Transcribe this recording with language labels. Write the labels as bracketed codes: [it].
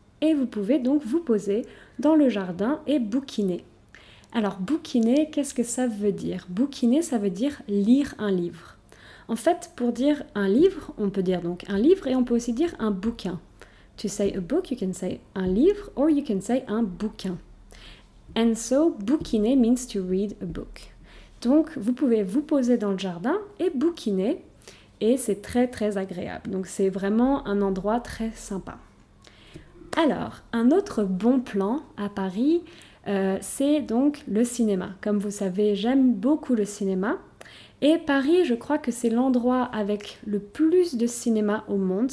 [fr] Et vous pouvez donc vous poser dans le jardin et bouquiner. Alors bouquiner, qu'est-ce que ça veut dire? Bouquiner, ça veut dire lire un livre. En fait, pour dire un livre, on peut dire donc un livre et on peut aussi dire un bouquin. [en] To say a book, you can say un livre or you can say un bouquin. And so, bouquiner means to read a book. [fr] Donc, vous pouvez vous poser dans le jardin et bouquiner et c'est très très agréable. Donc, c'est vraiment un endroit très sympa. Alors, un autre bon plan à Paris, c'est donc le cinéma. Comme vous savez, j'aime beaucoup le cinéma. Et Paris, je crois que c'est l'endroit avec le plus de cinéma au monde.